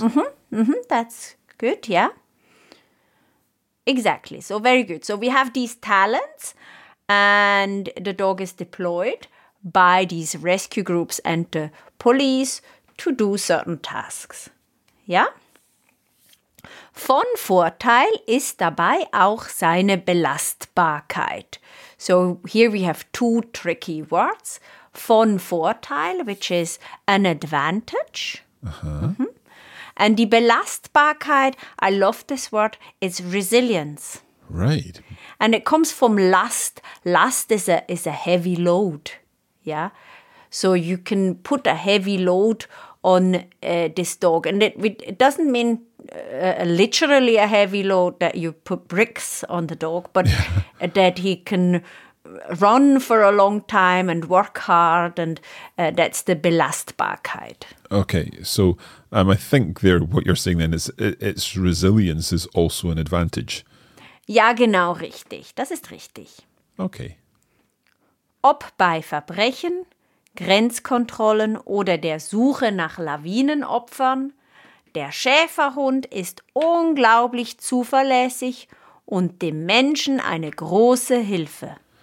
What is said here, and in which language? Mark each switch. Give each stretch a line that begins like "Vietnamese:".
English: Mm-hmm, mm-hmm, that's good, yeah. Exactly, so very good. So we have these talents and the dog is deployed. by these rescue groups and the police to do certain tasks.
German: Ja? Von Vorteil ist dabei auch seine Belastbarkeit.
English: So here we have two tricky words.
German: Von Vorteil,
English: which is an advantage. Uh-huh. Mm-hmm. And die Belastbarkeit, I love this word, is resilience. Right. And it comes from last. Last is a heavy load. Yeah. So you can put a heavy load on this dog. And it doesn't mean literally a heavy load that you put bricks on the dog, but yeah. That he can run for a long time and work hard. And that's the Belastbarkeit. Okay. So I think there what you're saying then is its resilience is also an advantage.
German: Ja, genau, richtig. Das ist richtig.
English: Okay.
German: Ob bei Verbrechen, Grenzkontrollen oder der Suche nach Lawinenopfern, der Schäferhund ist unglaublich zuverlässig und dem Menschen eine große Hilfe.